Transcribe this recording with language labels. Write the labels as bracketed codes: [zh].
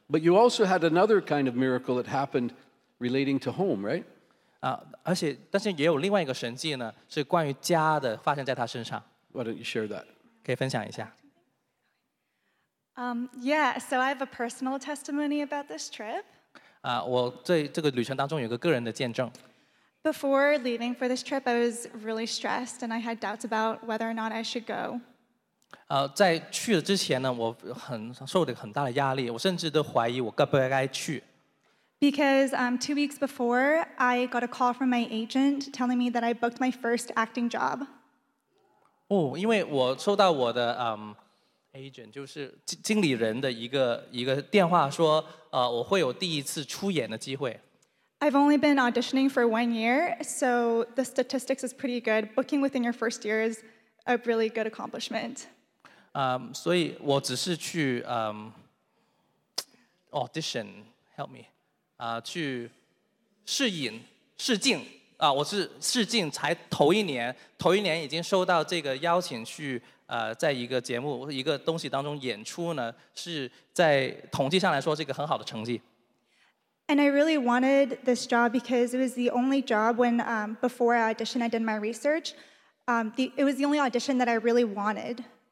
[en] But you also had another kind of miracle that happened relating to home, right? [zh] 而且，但是也有另外一个神迹呢，是关于家的，发生在她身上。 [en] Why don't you share that? [zh] 可以分享一下。 [en] Yeah, so I have a personal testimony about this trip. [zh] 我对这个旅程当中有个个人的见证。 [en] Before leaving for this trip, I was really stressed and I had doubts about whether or not I should go. [zh] 在去了之前呢，我受了很大的压力，我甚至都怀疑我该不该去。 [en] Because 2 weeks before, I got a call from my agent telling me that I booked my first acting job. [zh] 哦，因为我收到我的嗯、um, agent 就是经理人的一个电话说，我会有第一次出演的机会。 [en] I've only been auditioning for 1 year, so the statistics is pretty good. Booking within your first year is a really good accomplishment. [zh] 所以我只是去audition, [en] help me, [zh] 去试镜，我是试镜才头一年，头一年已经收到这个邀请去在一个节目一个东西当中演出呢，是在统计上来说是一个很好的成绩。 [en] And I really wanted this job because it was the only job when, before I auditioned, I did my research. It was the only audition that I really wanted.